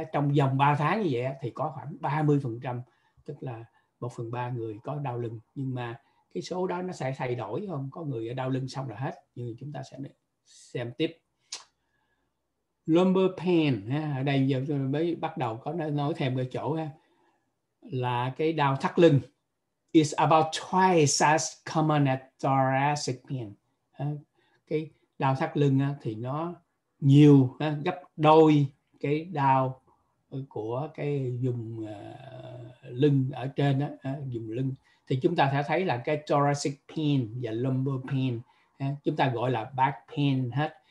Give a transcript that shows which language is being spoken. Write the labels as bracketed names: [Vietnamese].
[Vietnamese] Trong vòng 3 tháng như vậy thì có khoảng 30%, tức là 1/3 người có đau lưng. Nhưng mà cái số đó nó sẽ thay đổi không? Có người ở đau lưng xong là hết. Nhưng chúng ta sẽ xem tiếp. Lumbar pain. Ở đây giờ mới bắt đầu có nói thêm cái chỗ là cái đau thắt lưng. [English] Is about twice as common as thoracic pain. [Vietnamese] Cái đau thắt lưng thì nó nhiều, gấp đôi cái đau của cái vùng lưng ở trên đó, vùng lưng. Thì chúng ta sẽ thấy là cái thoracic pain và lumbar pain, chúng ta gọi là back pain hết.